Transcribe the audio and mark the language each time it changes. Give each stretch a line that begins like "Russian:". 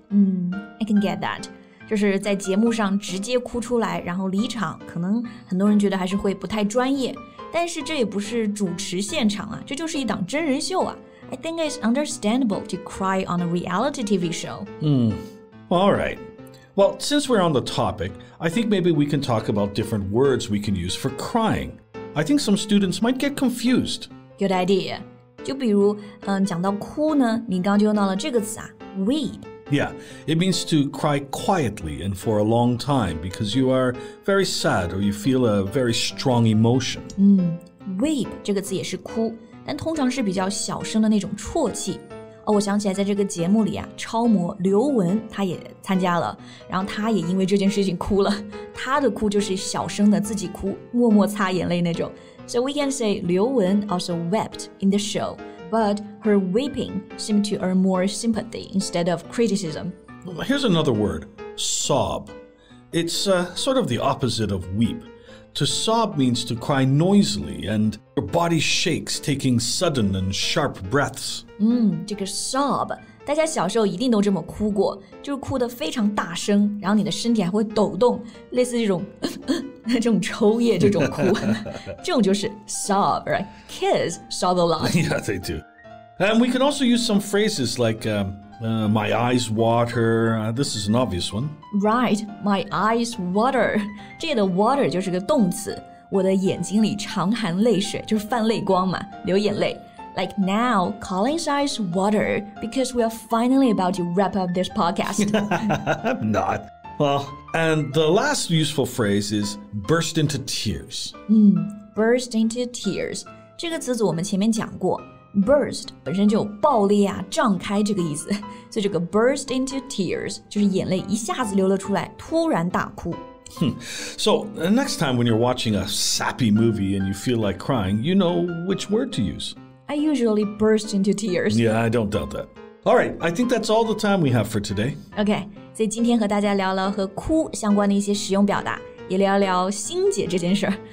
English: I can get that.
Chinese: 就是在节目上直接哭出来然后离场可能很多人觉得还是会不太专业但是这也不是主持现场啊这就是一档真人秀啊
English: I think it's understandable to cry on a reality TV show、 All right. Well, since we're on the topic, I think maybe we can talk about different words we can use for crying. I think some students might get confused. Good idea.
Chinese: 就比如、讲到哭呢你刚刚就用到了这个词啊 weep
English: Yeah, it means to cry quietly and for a long time because you are very sad or you feel a very strong emotion.
Chinese: Weep 这个词也是哭但通常是比较小声的那种啜泣、哦、我想起来在这个节目里啊超模刘雯他也参加了然后他也因为这件事情哭了他的哭就是小声的自己哭默默擦眼泪那种
English: So we can say 刘雯 also wept in the showBut her weeping seemed to earn more sympathy instead of criticism. Here's another word, sob. It's、sort of the opposite of weep. To sob means to cry noisily and your body shakes, taking sudden and sharp breaths.
Chinese: 这个 sob, 大家小时候一定都这么哭过，就是哭得非常大声，然后你的身体还会抖动，类似这种这种抽噎这种哭，这种就是 sob, right?
English: Kids sob a lot. Yeah, they do. And we can also use some phrases like、my eyes water.、this is an obvious one. Right, my eyes water.
Chinese: 这里的 water 就是个动词，我的眼睛里常含泪水，就是泛泪光嘛，流眼泪。
English: Like now, Colin's eyes water because we are finally about to wrap up this podcast. Not. Well, and the last useful phrase is burst into tears.
Chinese: Burst into tears. 这个词组我们前面讲过 Burst 本身就有爆裂啊胀开这个意思所以这个 burst into tears 就是眼泪一下子流了出来突然大哭
English: So, next time when you're watching a sappy movie and you feel like crying, you know which word to use. I usually burst into tears. Yeah, I don't doubt that. All right, I think that's all the time we have for today. Okay.
Chinese: 所以今天和大家聊了和哭相关的一些实用表达，也聊聊心结这件事儿。